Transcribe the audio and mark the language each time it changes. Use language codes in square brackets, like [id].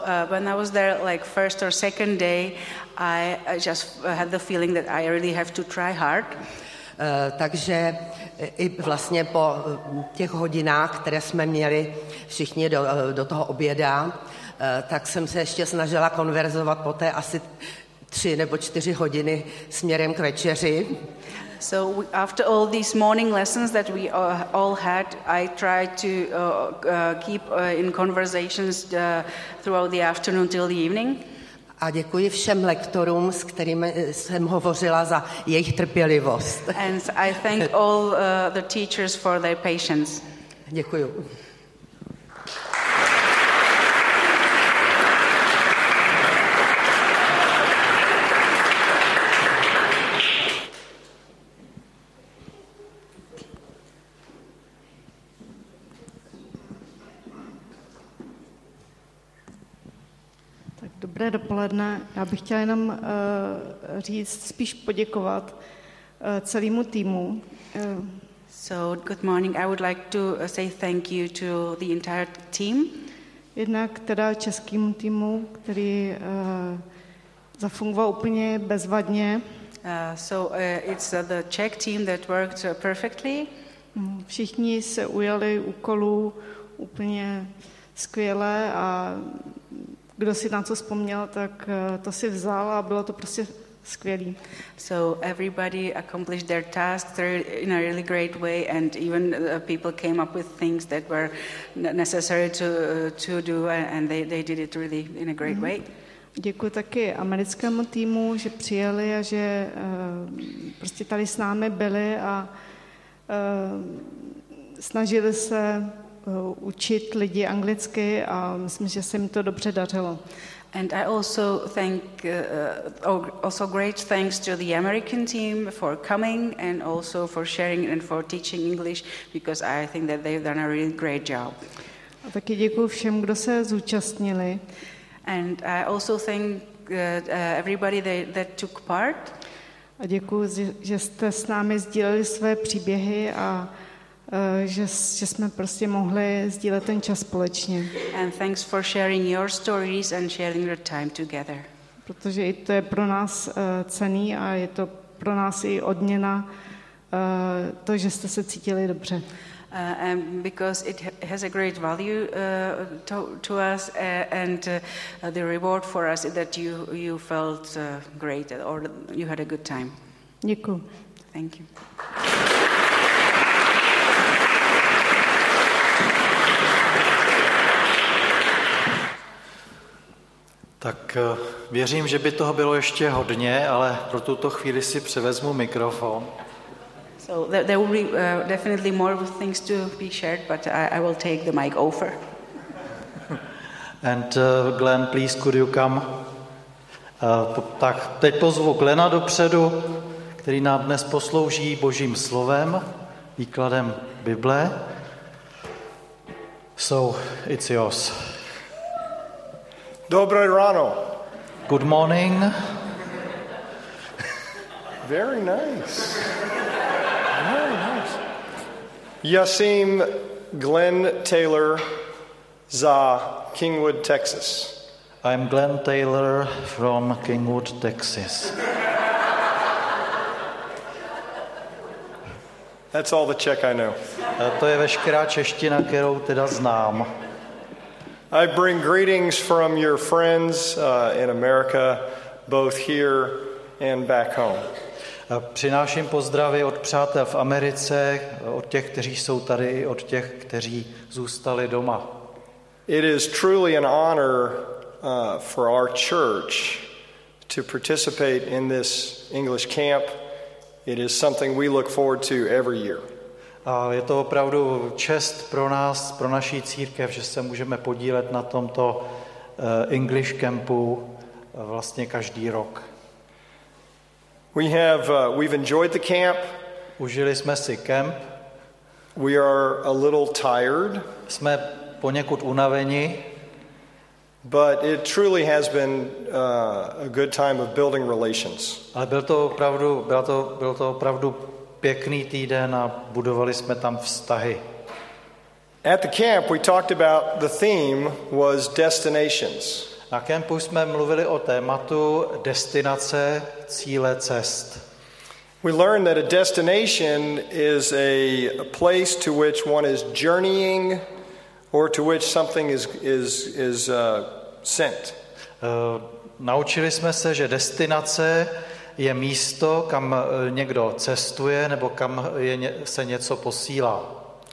[en] When I was there like first or second day, I just had the feeling that I really have to try hard. [cs] Takže i vlastně po těch hodinách, které jsme měli všichni do toho oběda, tak jsem se ještě snažila konverzovat poté asi 3 nebo 4 hodiny směrem k večeři. [en] So after all these morning lessons that we all had, I tried to keep in conversations throughout the afternoon till the evening. [cs] A děkuji všem lektorům, s kterými jsem hovořila, za jejich trpělivost. [en] And I thank all the teachers for their patience. [cs] Děkuji. Dobré dopoledne. Já bych chtěla jenom říct, spíš poděkovat celému týmu. [en] So good morning. I would like to say thank you to the entire team. [cs] Jednak teda českému týmu, který zafungoval úplně bezvadně. [en] It's the Czech team that worked perfectly. [cs] Všichni se ujali úkolu úplně skvěle a kdo si na co vzpomněl, tak to si vzal a bylo to prostě skvělý. [en] So everybody accomplished their tasks in a really great way and even people came up with things that were necessary to do and they did it really in a great way. [cs] Děkuji taky americkému týmu, že přijeli a že prostě tady s námi byli a snažili se učit lidi anglicky a myslím, že se jim to dobře dařilo. [en] And I also great thanks to the American team for coming and also for sharing and for teaching English because I think that they've done a really great job. [cs] A taky děkuju všem, kdo se zúčastnili. [en] And I also thank everybody that took part. [cs] A děkuju, že jste s námi sdíleli své příběhy a že jsme prostě mohli sdílet ten čas společně. [en] And thanks for sharing your stories and sharing your time together. [cs] Protože i to je pro nás cenný a je to pro nás i odměna to, že jste se cítili dobře. [en] And because it has a great value to us and the reward for us is that you felt great or you had a good time. [cs] Děkuju. [en] Thank you. [cs] Tak věřím, že by toho bylo ještě hodně, ale pro tuto chvíli si převezmu mikrofon. [en] So there will be definitely more things to be shared, but I will take the mic over. And Glenn, please could you come? [cs] Tak teď pozvu Glena dopředu, který nám dnes poslouží Božím slovem, výkladem Bible. [en] So it's yours. [cs] Dobré ráno. [en] Good morning. Very nice. Very nice. [cs] Yasim Glenn Taylor za Kingwood, Texas. [en] I'm Glenn Taylor from Kingwood, Texas. That's all the Czech I know. [cs] To je veškerá čeština, kterou teda znám. [en] I bring greetings from your friends in America, both here and back home. [cs] Přináším pozdravy od přátel v Americe, od těch, kteří jsou tady, od těch, kteří zůstali doma. [en] It is truly an honor for our church to participate in this English camp. It is something we look forward to every year. [cs] A je to opravdu čest pro nás, pro naší církev, že se můžeme podílet na tomto English campu vlastně každý rok. [en] We've enjoyed the camp. [cs] Užili jsme si camp. [en] We are a little tired. [cs] Jsme poněkud unaveni. [en] But it truly has been a good time of building relations. [cs] Ale bylo to opravdu pěkný týden a budovali jsme tam vztahy. [en] At the camp we talked about the theme was destinations. [cs] Na kempu jsme mluvili o tématu destinace, cíle, cest. [en] We learned that a destination is a place to which one is journeying or to which something is sent. [cs] Naučili jsme se, že destinace je místo, kam někdo cestuje nebo kam je, se něco posílá.